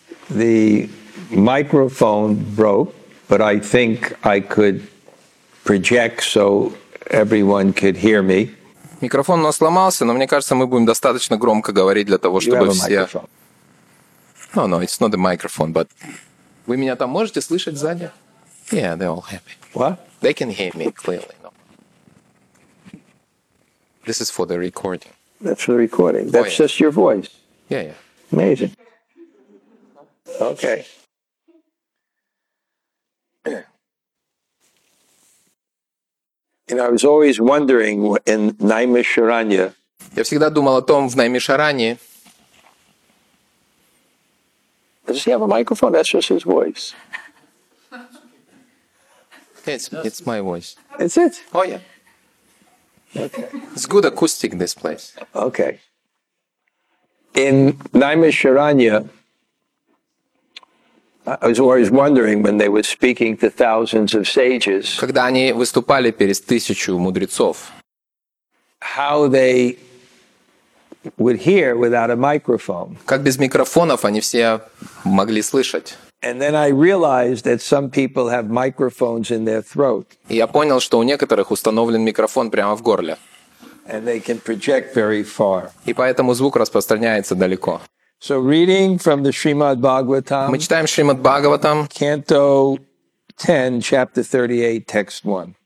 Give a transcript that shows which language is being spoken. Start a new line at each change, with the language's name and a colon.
English: The microphone broke, but I think I could project so everyone could hear me.
Russian: Микрофон у нас сломался, но мне кажется, мы будем достаточно громко говорить для того, чтобы все...
English: No, no, it's not the microphone, but...
Russian: Вы меня там можете слышать сзади?
English: Yeah, they're all happy. What? They can hear me clearly. No. This is for the recording. That's for the recording. That's just your voice. Yeah, yeah. Amazing. Okay. You know, I was always wondering in Наймишаранья.
Russian: Я всегда думал о том в Наймишаранье.
English: Does he have a microphone? That's just his voice. It's my voice. It's it? Oh yeah. Okay. It's good acoustic in this place. Okay. In Наймишаранья, I was always wondering when they were speaking to thousands of sages.
Russian: Когда они выступали перед тысячу мудрецов.
English: How they would hear without a microphone.
Russian: Как без микрофонов они все могли слышать.
English: And then I realized that some people have microphones in their throat.
Russian: И я понял, что у некоторых установлен микрофон прямо в горле.
English: And they can project very far.
Russian: И поэтому звук распространяется далеко.
English: So reading from the Srimad Bhagavatam.
Russian: Мы читаем Шримад Бхагаватам.
English: Canto 10, chapter 38, text 1.